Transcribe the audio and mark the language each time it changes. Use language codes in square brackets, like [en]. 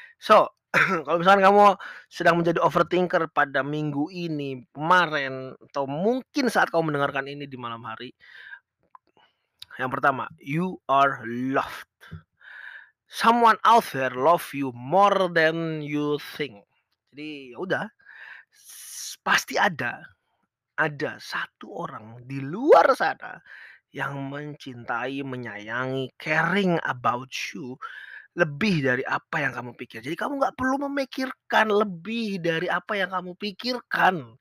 [id] So, kalau misalkan kamu sedang menjadi overthinker pada minggu ini, kemarin, atau mungkin saat kamu mendengarkan ini di malam hari, yang pertama, [en] you are loved. Someone out there love you more than you think. [id] Jadi, yaudah. Pasti ada satu orang di luar sana yang mencintai, menyayangi, [en] caring about you [id] lebih dari apa yang kamu pikir. Jadi kamu gak perlu memikirkan lebih dari apa yang kamu pikirkan.